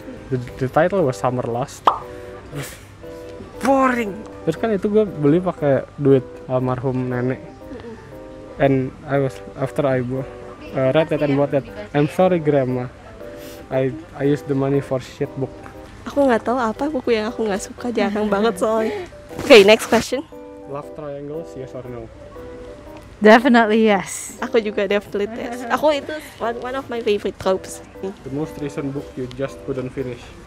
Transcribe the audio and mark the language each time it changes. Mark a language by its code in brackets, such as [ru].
[en] The title was Summer Lost. Boring. [id] Terus kan itu gue beli pakai duit almarhum nenek. [en] And I was after I bought. Read that and bought that. I'm sorry, Grandma. I use the money for shit book. [id] Aku nggak tahu apa buku yang aku nggak suka, jarang banget soalnya. [en] Okay, next question. Love triangles, yes or no? Definitely yes. [id] Aku juga [en] definitely yes. [id] Aku itu [en] one of my favorite tropes. The most recent book you just couldn't finish.